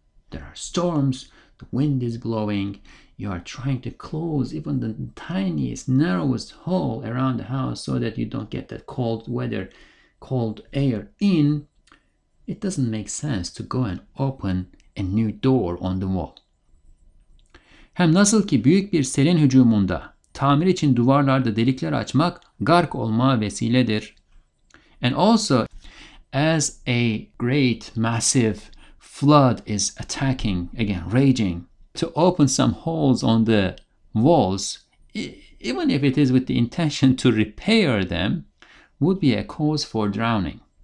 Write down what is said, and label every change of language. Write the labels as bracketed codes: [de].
[en] There are storms, the wind is blowing, you are trying to close even the tiniest, narrowest hole around the house so that you don't get that cold weather, cold air in. It doesn't make sense to go and open a new door on the wall. [tr] Hem nasıl ki büyük bir selin hücumunda tamir için duvarlarda delikler açmak gark olma vesiledir. [en] And also, as a great, massive flood is attacking, again, raging, to open some holes on the walls, even if it is with the intention to repair them, would be a cause for drowning.